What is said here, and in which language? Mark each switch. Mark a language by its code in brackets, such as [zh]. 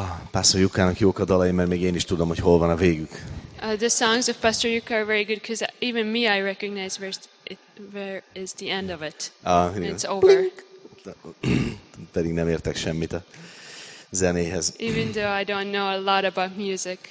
[hu] Pastor Yuka-nak jók a dalai, mert még én is tudom, hogy hol van a végük. [en] The songs of Pastor Yuka are very good because even me I recognize where is the end of it. It's over. [hu] Pedig nem értek semmit a zenéhez. [en] Even though I don't know a lot about music.